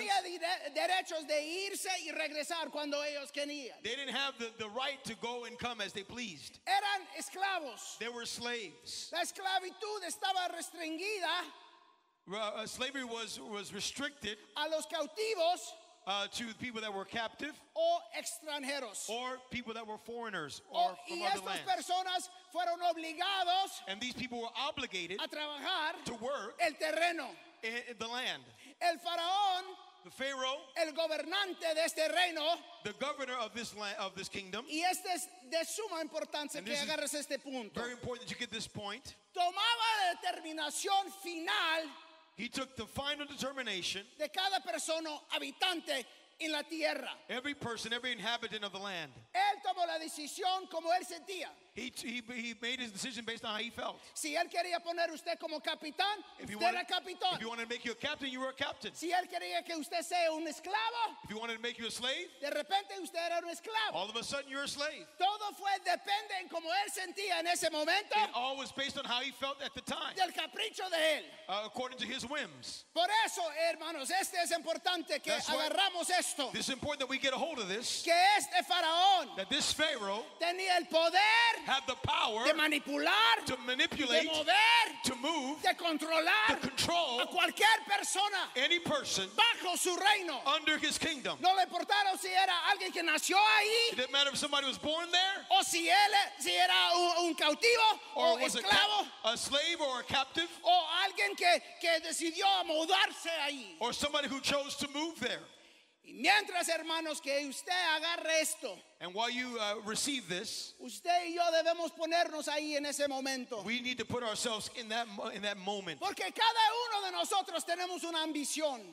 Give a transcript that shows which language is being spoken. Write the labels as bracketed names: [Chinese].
[Spanish] Tenía derechos de irse y regresar cuando ellos querían. [English] They didn't have the right to go and come as they pleased. [Spanish] Eran esclavos. [English] They were slaves. [Spanish] La esclavitud estaba restringida. [English] Slavery was restricted. [Spanish] A los cautivos. [English] To the people that were captive [Spanish] o extranjeros. [English] Or people that were foreigners or [Spanish] y [English] from other lands. [Spanish] Personas fueron obligados [English] and these people were obligated [Spanish] a trabajar [English] to work [Spanish] el terreno. [English] In the land. [Spanish] El faraón, [English] the pharaoh, [Spanish] el gobernante de este reino, [English] the governor of this land, of this kingdom. [Spanish] Y este es de suma importancia que agarres este punto. [English] Very important that you get this point. [Spanish] Tomaba la determinación final. [English] He took the final determination [Spanish] de cada persona habitante en la tierra. [English] Every person, every inhabitant of the land. [Spanish] Él tomó la decisión como él sentía. [English] He made his decision based on how he felt. [Spanish] Si él quería poner usted como capitán, usted era capitán. [English] If he wanted to make you a captain, you were a captain. [Spanish] Si él quería que usted sea un esclavo, [English] if he wanted to make you a slave, [Spanish] de repente usted era un esclavo. [English] All of a sudden, you're a slave. [Spanish] Todo fue depende en como él sentía en ese momento. [English] It all was based on how he felt at the time. [Spanish] Del capricho de él. [English] According to his whims. [Spanish] Por eso, hermanos, este es importante que agarramos esto. [English] This is important that we get a hold of this. [Spanish] Que este faraón, [English] that this pharaoh, [Spanish] tenía el poder. [English] Have the power [Spanish] de manipular, [English] to manipulate, [Spanish] de mover, [English] to move, [Spanish] de controlar, [English] to control [Spanish] a cualquier persona, [English] any person [Spanish] bajo su reino, [English] under his kingdom. [Spanish] No le importaron si era alguien que nació ahí, [English] it didn't matter if somebody was born there, [Spanish] o si él, si era un cautivo, [English] or [Spanish] o [English] was [Spanish] esclavo, [English] a slave or a captive, [Spanish] o alguien que decidió mudarse ahí, [English] or somebody who chose to move there. [Spanish] Y mientras, hermanos, que usted agarre esto, [English] and while you receive this, [Spanish] usted y yo debemos ponernos ahí en ese momento. [English] We need to put ourselves in that moment. [Spanish] Porque cada uno de nosotros tenemos una ambición.